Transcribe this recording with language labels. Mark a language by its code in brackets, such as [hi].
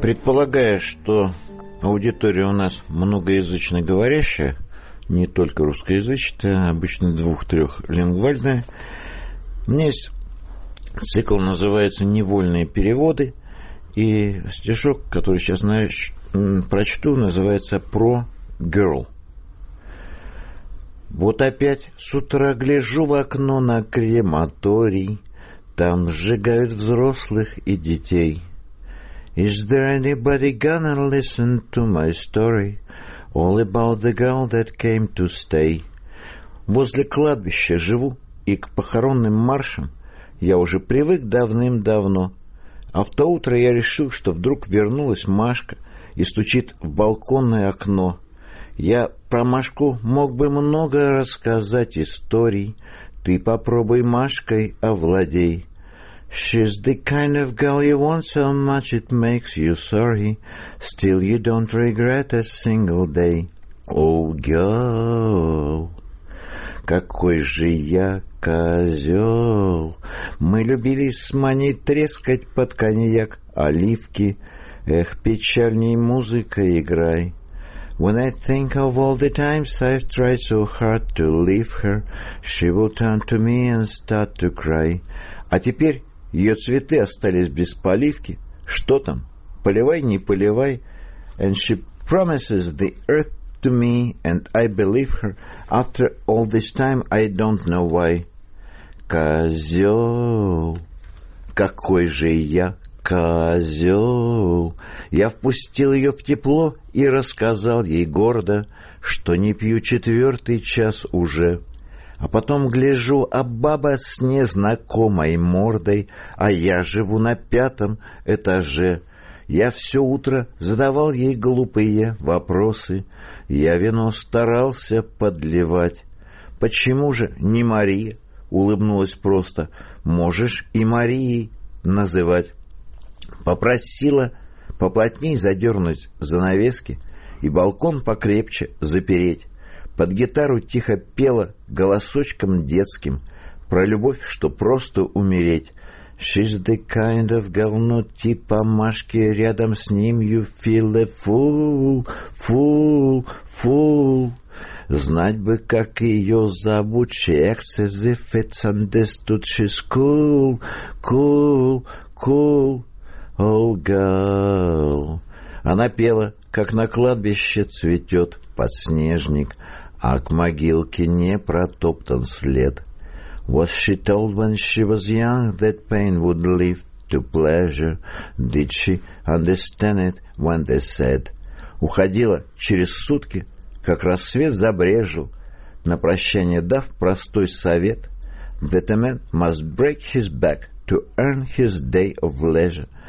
[ru] Предполагая, что аудитория у нас многоязычно говорящая, не только русскоязычная, обычно 2-3-лингвальная, у меня есть цикл, называется «Невольные переводы», и стишок, который сейчас начну прочту, называется «Про Girl». Вот опять с утра гляжу в окно на крематорий, там сжигают взрослых и детей. [en] Is there anybody gonna listen to my story all about the girl that came to stay? [ru] Возле кладбища живу, и к похоронным маршам я уже привык давным-давно. А в то утро я решил, что вдруг вернулась Машка и стучит в балконное окно. Я про Машку мог бы много рассказать историй. Ты попробуй Машкой овладей. [en] She's the kind of girl you want so much it makes you sorry. Still you don't regret a single day. Oh, girl, [ru] какой же я козел. Мы любили с Маней трескать под коньяк оливки. Эх, печальней музыкой играй. [en] When I think of all the times I've tried so hard to leave her, she will turn to me and start to cry. [ru] А теперь ее цветы остались без поливки. Что там? Поливай, не поливай. [en] And she promises the earth to me, and I believe her. After all this time, I don't know why. [ru] Козел, какой же я козел. Я впустил ее в тепло и рассказал ей гордо, что не пью четвертый час уже. А потом гляжу, а баба с незнакомой мордой, а я живу на пятом этаже. Я все утро задавал ей глупые вопросы. Я вино старался подливать. Почему же не Мария? Улыбнулась просто. Можешь и Марией называть. Попросила поплотней задернуть занавески и балкон покрепче запереть. Под гитару тихо пела голосочком детским про любовь, что просто умереть. [en] She's the kind of girl, [ru] но типа Машки, рядом с ним [en] you feel a fool, fool, fool. [ru] Знать бы, как ее зовут, [en] she acts as if it's understood, she's cool, cool, cool. Oh, girl. [ru] Она пела, как на кладбище цветет подснежник, а к могилке не протоптан след. [en] Was she told when she was young that pain would lead to pleasure? Did she understand it when they said? [ru] Уходила через сутки, как рассвет забрежил, на прощание дав простой совет, [en] that a man must break his back to earn his day of leisure.